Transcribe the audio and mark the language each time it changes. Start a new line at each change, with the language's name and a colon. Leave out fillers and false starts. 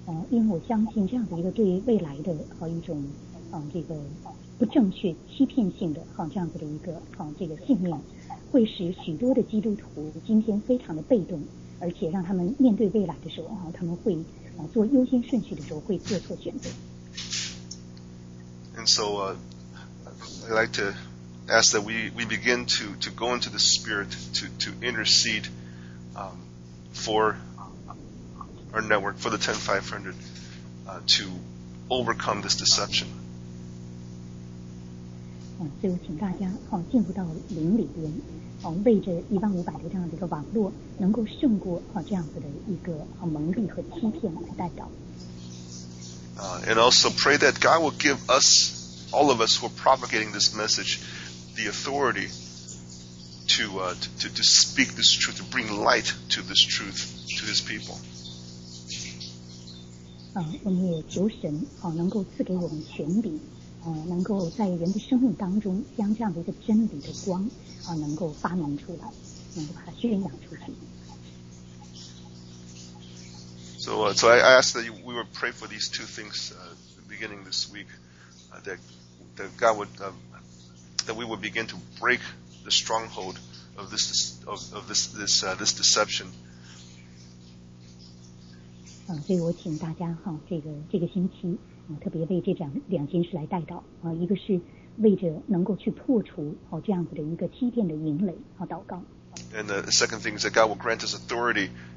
Chinese: 因为我相信这样的一个对未来的一种这个不正确欺骗性的这样子的一个这个信念，会使许多的基督徒今天非常的被动，而且让他们面对未来的时候他们会做优先顺序的时候会做错选择。
English: And so I'd like to ask that we begin to go into the spirit to intercede. For our network, for the 10500, to overcome this deception.
Chinese: 所以请大家进入到灵里边，为着15000的这样的一个网络，能够胜过这样子的一个蒙蔽和欺骗来代表。
English: And also pray that God will give us, all of us who are propagating this message, the authority. To speak this truth, to bring light to this truth to His people.
Chinese: 我们也求神能够赐给我们权柄能够在人的生命当中将这样的一个真理的光能够发扬出来，能够把它宣扬出去。
English: So I asked that we would pray for these two things beginning this week, that God would that we would begin to break the stronghold of this deception.
Chinese: 所以我请大家这个星期特别为这两件事来代祷一个是为着能够去破除这样子的一个欺骗的营垒祷告。
English: And the second thing is that God will grant us authority.